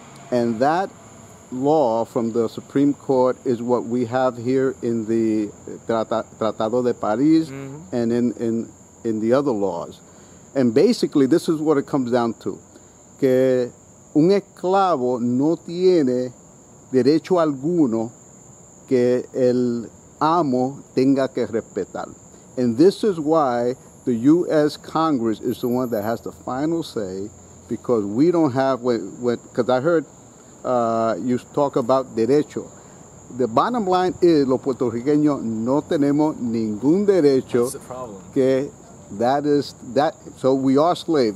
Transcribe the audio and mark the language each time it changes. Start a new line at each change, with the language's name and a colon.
English: And that law from the Supreme Court is what we have here in the Tratado de Paris mm-hmm. and in the other laws. And basically, this is what it comes down to.
Spanish: que un esclavo no tiene derecho alguno que el amo tenga que respetar.
English: And this is why the U.S. Congress is the one that has the final say, because we don't have, because I heard you talk about derecho. The bottom line is,
Spanish: los puertorriqueños no tenemos ningún derecho.
English: That's the problem. Que that is, that, so we are slaves.